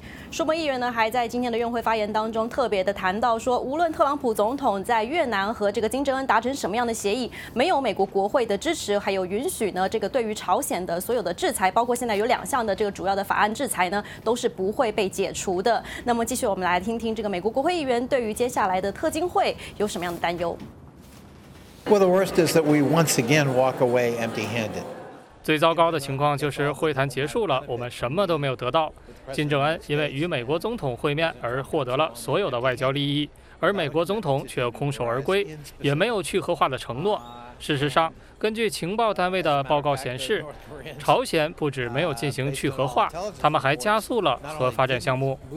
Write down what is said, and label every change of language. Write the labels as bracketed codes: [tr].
[zh] 舒默议员呢，还在今天的院会发言当中特别的谈到说，无论特朗普总统在越南和这个金正恩达成什么样的协议，没有美国国会的支持还有允许呢，这个对于朝鲜的所有的制裁，包括现在有两项的这个主要的法案制裁呢，都是不会被解除的。那么继续我们来听听这个美国国会议员对于接下来的特金会有什么样的担忧。 [en] Well, the worst is that we once again walk away empty-handed. [zh] 最糟糕的情况就是会谈结束了，我们什么都没有得到。金正恩因为与美国总统会面而获得了所有的外交利益，而美国总统却空手而归，也没有去核化的承诺。事实上，根据情报单位的报告显示，朝鲜不止没有进行去核化，他们还加速了核发展项目。